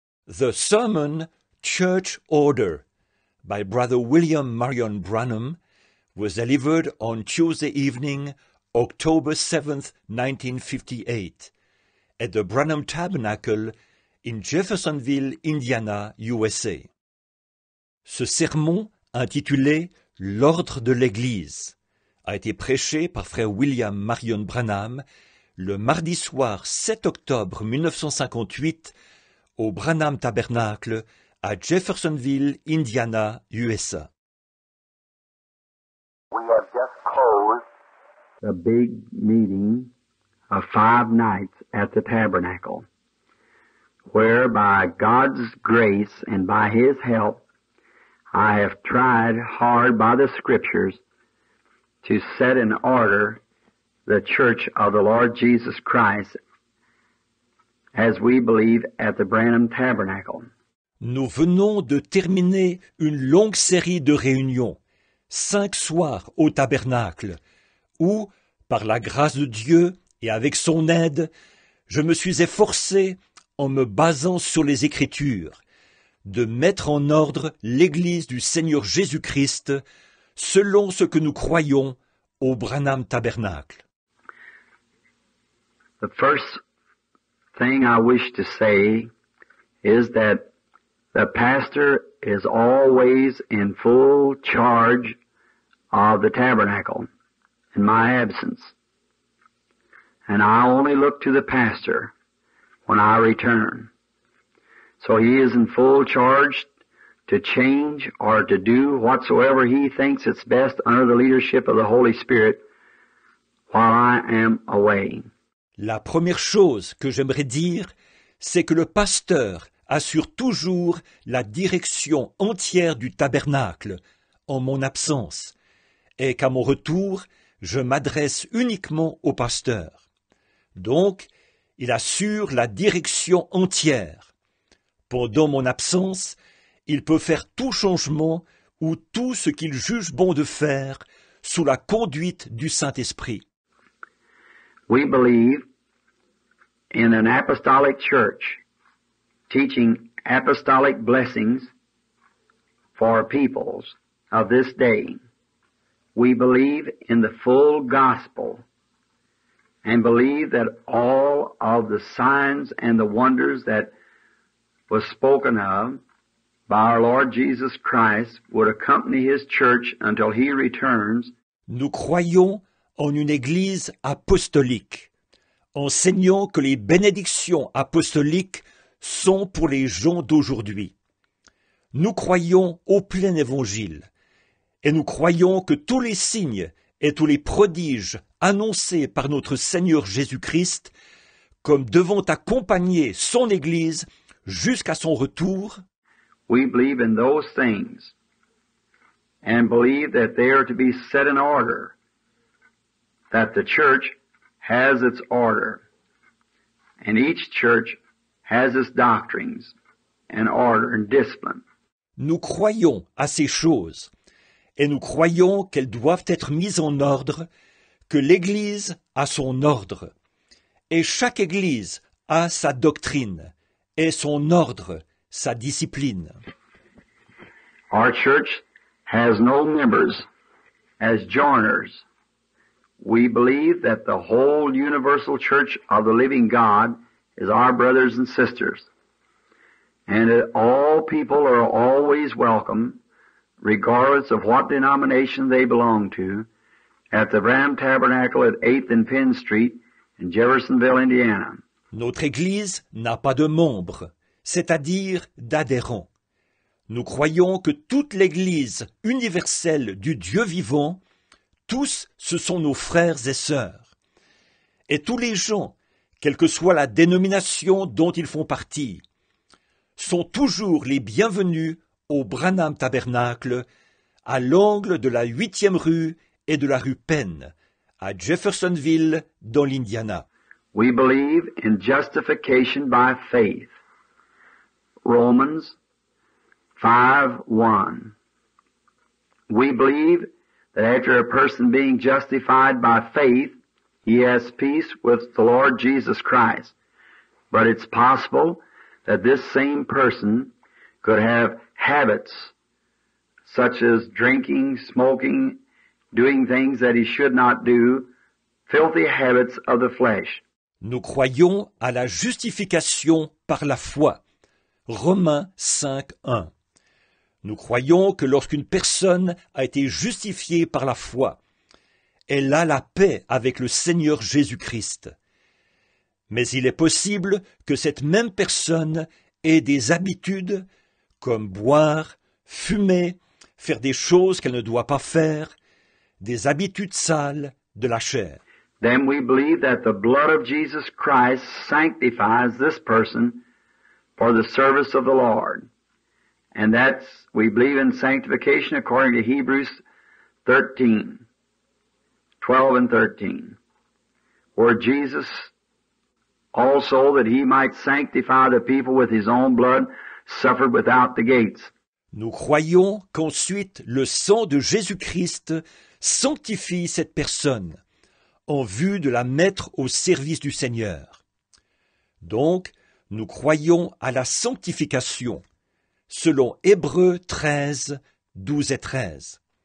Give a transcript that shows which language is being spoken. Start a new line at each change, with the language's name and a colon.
English: The Sermon, Church Order, by Brother William Marion Branham, was delivered on Tuesday evening, October 7, 1958, at the Branham Tabernacle in Jeffersonville, Indiana, USA.
French: Ce sermon, intitulé « L'ordre de l'Église », a été prêché par Frère William Marion Branham le mardi soir 7 octobre 1958 au Branham Tabernacle à Jeffersonville, Indiana, USA.
English: We have just closed a big meeting of 5 nights at the Tabernacle, where by God's grace and by His help, I have tried hard by the Scriptures to set in order the Church of the Lord Jesus Christ as we believe at the Branham Tabernacle.
French: Nous venons de terminer une longue série de réunions, 5 soirs au Tabernacle, où, par la grâce de Dieu et avec son aide, je me suis efforcé, en me basant sur les Écritures, de mettre en ordre l'Église du Seigneur Jésus-Christ selon ce que nous croyons au Branham Tabernacle.
English: The first thing I wish to say is that the pastor is always in full charge of the Tabernacle in my absence, and I only look to the pastor when I return. So he is in full charge to change or to do whatsoever he thinks it's best under the leadership of the Holy Spirit while I am away.
French: La première chose que j'aimerais dire, c'est que le pasteur assure toujours la direction entière du tabernacle en mon absence, et qu'à mon retour, je m'adresse uniquement au pasteur. Donc, il assure la direction entière. Pendant mon absence, il peut faire tout changement ou tout ce qu'il juge bon de faire sous la conduite du Saint-Esprit.
English: We believe in an apostolic church teaching apostolic blessings for peoples of this day. We believe in the full gospel and believe that all of the signs and the wonders that was spoken of by our Lord Jesus Christ would accompany His church until He returns.
French: Nous croyons en une Église apostolique, enseignant que les bénédictions apostoliques sont pour les gens d'aujourd'hui. Nous croyons au plein Évangile, et nous croyons que tous les signes et tous les prodiges annoncés par notre Seigneur Jésus-Christ, comme devant accompagner Son Église jusqu'à Son retour,
English: we believe in those things and believe that they are to be set in order, that the church has its order, and each church has its doctrines and order and discipline.
French: Nous croyons à ces choses, et nous croyons qu'elles doivent être mises en ordre, que l'Église a son ordre, et chaque Église a sa doctrine, et son ordre, sa discipline.
English: Our church has no members as joiners. We believe that the whole universal church of the living God is our brothers and sisters, and that all people are always welcome, regardless of what denomination they belong to, at the Branham Tabernacle at 8th and Penn Street in Jeffersonville, Indiana.
French: Notre Église n'a pas de membres, c'est-à-dire d'adhérents. Nous croyons que toute l'Église universelle du Dieu vivant, tous ce sont nos frères et sœurs. Et tous les gens, quelle que soit la dénomination dont ils font partie, sont toujours les bienvenus au Branham Tabernacle, à l'angle de la 8e rue et de la rue Penn, à Jeffersonville, dans l'Indiana.
English: We believe in justification by faith. Romans 5:1. We believe that after a person being justified by faith, he has peace with the Lord Jesus Christ. But it's possible that this same person could have habits such as drinking, smoking, doing things that he should not do, filthy habits of the flesh.
French: Nous croyons à la justification par la foi. Romains 5:1. Nous croyons que lorsqu'une personne a été justifiée par la foi, elle a la paix avec le Seigneur Jésus-Christ. Mais il est possible que cette même personne ait des habitudes comme boire, fumer, faire des choses qu'elle ne doit pas faire, des habitudes sales de la chair.
English: Then we believe that the blood of Jesus Christ sanctifies this person for the service of the Lord. And that's, we believe in sanctification according to Hebrews 12 and 13. Where Jesus also, that he might sanctify the people with his own blood, suffered without the gates.
French: Nous croyons qu'ensuite le sang de Jésus-Christ sanctifie cette personne en vue de la mettre au service du Seigneur. Donc, nous croyons à la sanctification. Selon Hébreux 13:12-13.